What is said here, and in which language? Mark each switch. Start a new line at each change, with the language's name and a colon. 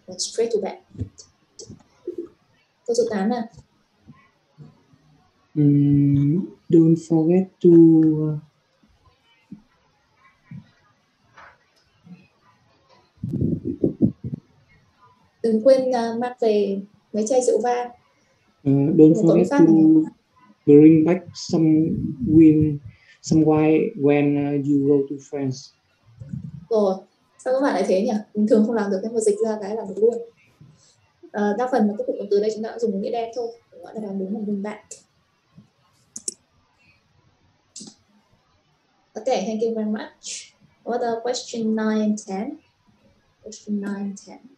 English: Went straight to bed.
Vietnamese: Câu số 8 nè.
English: Don't forget to...
Vietnamese: Đừng quên mang về mấy chai rượu vang.
English: Don't forget to bring back some wine when you go to France.
Vietnamese: Rồi, sao các bạn lại thế nhỉ? Bình thường không làm được, cái mà dịch ra cái là được luôn. Đa phần mà các cụm từ đây chúng ta dùng nghĩa đen thôi. Các bạn đang đúng là bring back.
English: Ok, thank you very much. What are question 9 and 10? Question 9 and 10.